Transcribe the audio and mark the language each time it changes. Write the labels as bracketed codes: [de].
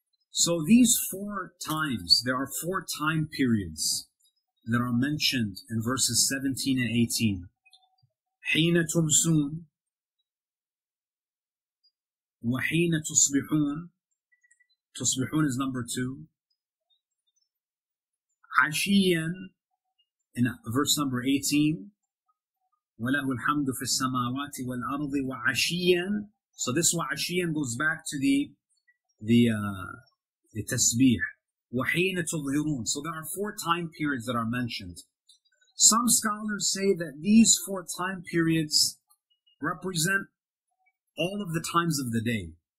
[en] So these four times, there are four time periods that are mentioned in verses 17 and 18. [ar] حين تمسون وحين تصبحون. [en] تصبحون is number two. عشيا in verse number 18. [ar] وله الحمد في السماوات والأرض وعشيا. [en] So this وعشيا goes back to the تسبيح. [ar] وحين تظهرون. [en] So there are four time periods that are mentioned. Some scholars say that these four time periods represent all of the times of the day.